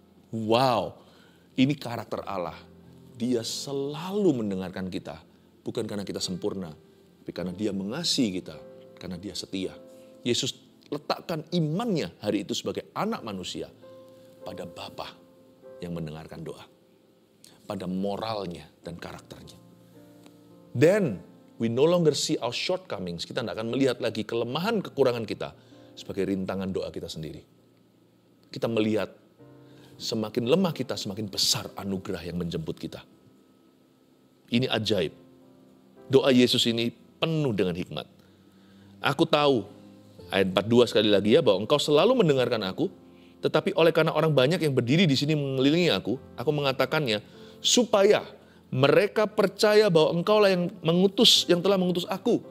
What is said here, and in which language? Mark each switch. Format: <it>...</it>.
<id>Wow, ini karakter Allah. Dia selalu mendengarkan kita. Bukan karena kita sempurna, tapi karena Dia mengasihi kita. Karena Dia setia. Yesus letakkan imannya hari itu sebagai anak manusia pada Bapa yang mendengarkan doa. Pada moralnya dan karakternya.</id> <en>Then we no longer see our shortcomings.</en> <id>Kita tidak akan melihat lagi kelemahan, kekurangan kita sebagai rintangan doa kita sendiri. Kita melihat semakin lemah kita, semakin besar anugerah yang menjemput kita. Ini ajaib. Doa Yesus ini penuh dengan hikmat. Aku tahu, ayat 42 sekali lagi ya, bahwa engkau selalu mendengarkan aku, tetapi oleh karena orang banyak yang berdiri di sini mengelilingi aku, aku mengatakannya supaya mereka percaya bahwa engkaulah yang mengutus, yang telah mengutus aku.</id>